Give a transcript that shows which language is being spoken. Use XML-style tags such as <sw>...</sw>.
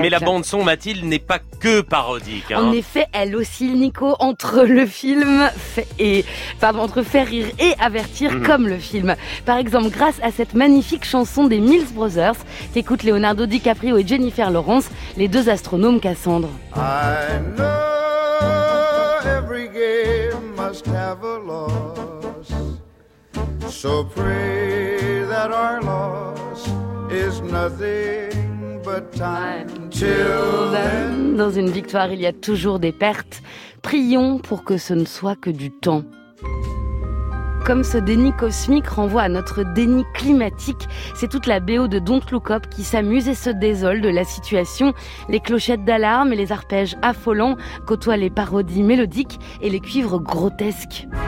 <fr>Mais la bande-son, Mathilde, n'est pas que parodique. En effet, elle oscille, Nico, entre le film entre faire rire et avertir comme le film. Par exemple, grâce à cette magnifique chanson des Mills Brothers, t'écoutes Leonardo DiCaprio et Jennifer Lawrence, les deux astronomes Cassandre.</fr> <en>I know every game must have a loss, so pray that our loss is nothing but time till then.</en> <fr>Dans une victoire, il y a toujours des pertes. Prions pour que ce ne soit que du temps. Comme ce déni cosmique renvoie à notre déni climatique, c'est toute la BO de Don't Look Up qui s'amuse et se désole de la situation. Les clochettes d'alarme et les arpèges affolants côtoient les parodies mélodiques et les cuivres grotesques.</fr>